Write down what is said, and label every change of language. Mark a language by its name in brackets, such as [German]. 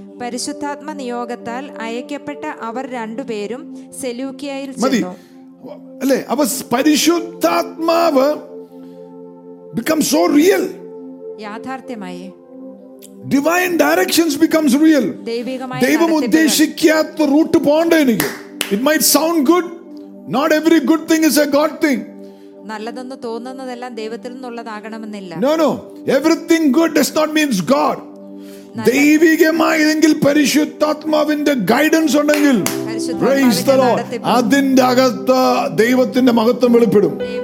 [Malayalam] പരിശുദ്ധാത്മ നിയോഗത്താൽ അയക്കപ്പെട്ട അവർ രണ്ടുപേരും സെലൂക്കിയയിൽ ചെന്നു. അല്ലേ, അവ പരിശുദ്ധാത്മാവ് [English] become so real. [Malayalam] യാഥാർത്ഥ്യമായി. [English] Divine directions becomes real. [Malayalam] ദൈവികമായി. ദൈവം ഉദ്ദേശിക്കാത്ത റൂട്ട് പോണ്ടേ എനിക്ക്. [English] It might sound good. Not every good thing is a God thing. [Malayalam] നല്ലതെന്ന് തോന്നുന്നതെല്ലാം ദൈവത്തിൽ നിന്നുള്ളതാകണമെന്നില്ല. [English] No. Everything good does not mean God. [Malayalam] ദൈവികമായെങ്കിൽ പരിശുദ്ധാത്മാവിന്റെ ഗൈഡൻസ് ഉണ്ടെങ്കിൽ, [English] praise the Lord, [Malayalam] അതിന്റെ അകത്ത് ദൈവത്തിന്റെ മഹത്വം വെളിപ്പെടും.